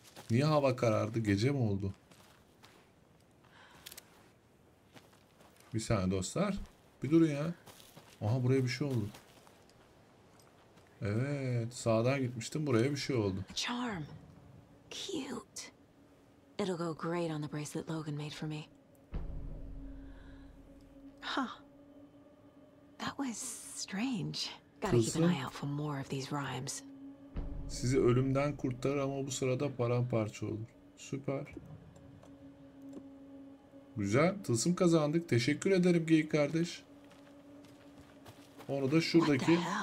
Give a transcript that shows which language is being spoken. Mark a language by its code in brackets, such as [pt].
[tr] Niye hava karardı? Gece mi oldu? Bir saniye dostlar. Bir durun ya. Aha buraya bir şey oldu. Evet, sağdan gitmiştim, buraya bir şey oldu. [en] Charm. Cute. It'll go great on the bracelet Logan made for me. Huh. That was strange. Gotta keep an eye out for more of these rhymes. [tr] Sizi ölümden kurtarır ama bu sırada paramparça olur. Süper. Güzel. Tılsım kazandık. Teşekkür ederim geyik kardeş. Onu da şuradaki...